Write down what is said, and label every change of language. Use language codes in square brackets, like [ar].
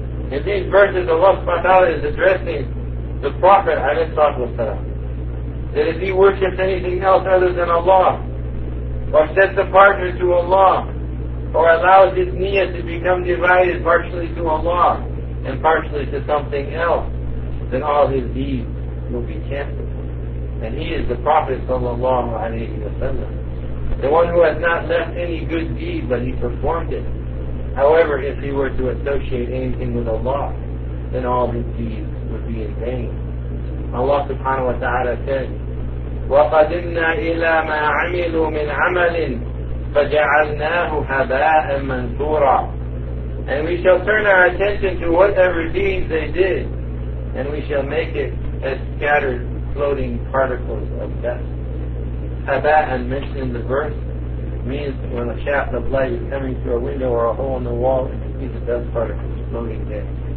[en] In these verses, Allah subhanahu wa ta'ala is addressing the Prophet alayhi salatu wasalam, that if he worships anything else other than Allah, or sets a partner to Allah, or allows his niyyah to become divided partially to Allah and partially to something else, then all his deeds will be canceled. And he is the Prophet sallallahu alayhi wa sallam, the one who has not left any good deed, but he performed it. However, if he were to associate anything with Allah, then all his deeds would be in vain. [ar] Allah subhanahu wa ta'ala said, وَقَدِمْنَا إِلَى مَا عَمِلُوا مِنْ عَمَلٍ فَجَعَلْنَاهُ هَبَاءً مَنْثُورًا. [en] And we shall turn our attention to whatever deeds they did, and we shall make it as scattered floating particles of dust. Haba'an mentioned in the verse means when a shaft of light is coming through a window or a hole in the wall, it can see the dust particles floating there.